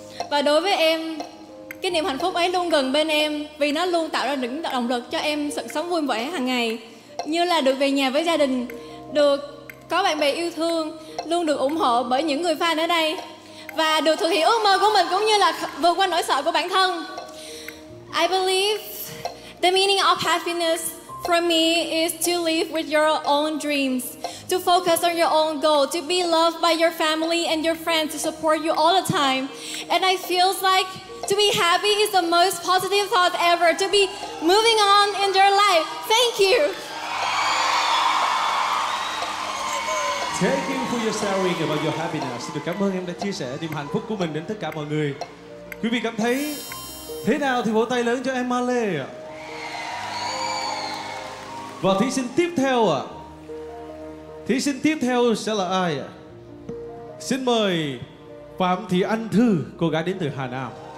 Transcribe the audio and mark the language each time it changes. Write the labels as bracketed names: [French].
[Vietnamese] Và đối với em, cái niềm hạnh phúc ấy luôn gần bên em vì nó luôn tạo ra những động lực cho em sự sống vui vẻ hàng ngày, như là được về nhà với gia đình, được có bạn bè yêu thương, luôn được ủng hộ bởi những người fan ở đây và được thực hiện ước mơ của mình cũng như là vượt qua nỗi sợ của bản thân. [English] I believe the meaning of happiness for me is to live with your own dreams, to focus on your own goal, to be loved by your family and your friends, to support you all the time. And I feels like to be happy is the most positive thought ever. To be moving on in your life. Thank you. Thank you for your sharing about your happiness. [Vietnamese] Xin được cảm ơn em đã chia sẻ niềm hạnh phúc của mình đến tất cả mọi người. Quý vị cảm thấy thế nào thì vỗ tay lớn cho em Ma Lê ạ. Và thí sinh tiếp theo ạ. Thí sinh tiếp theo sẽ là ai ạ? Xin mời Phạm Thị Anh Thư, cô gái đến từ Hà Nam.